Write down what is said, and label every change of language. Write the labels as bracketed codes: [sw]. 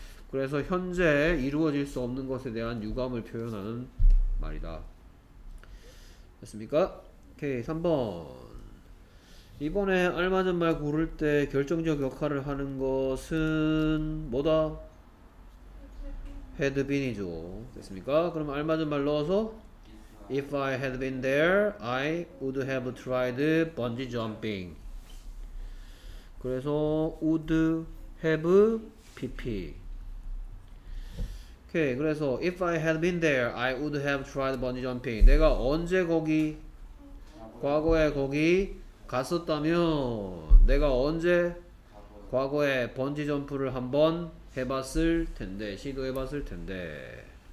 [ko] 그래서 현재 이루어질 수 없는 것에 대한 유감을 표현하는 말이다. 됐습니까? 오케이. 3번. 이번에 알맞은 말 고를 때 결정적 역할을 하는 것은 뭐다? 헤드빈이죠. 됐습니까? 그럼 알맞은 말 넣어서 [en] If I had been there, I would have tried bungee jumping. [ko] 그래서 would have PP. 오케이. 그래서 [en] If I had been there, I would have tried bungee jumping. [ko] 내가 언제 거기 과거에 거기 갔었다면 내가 언제 과거에 번지 점프를 한번 해봤을 텐데, 시도해봤을 텐데.